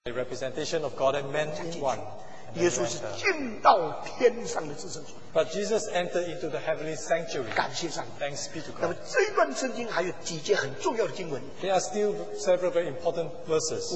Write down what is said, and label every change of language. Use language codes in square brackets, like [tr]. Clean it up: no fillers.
[en] The representation of God and man in one. [zh] 耶稣是进到天上的至圣所。 [en] But Jesus entered into the heavenly sanctuary. [zh] 感谢上, [en] thanks be to God. [zh] 那么这一段圣经还有几节很重要的经文, [en] there are still several very important verses.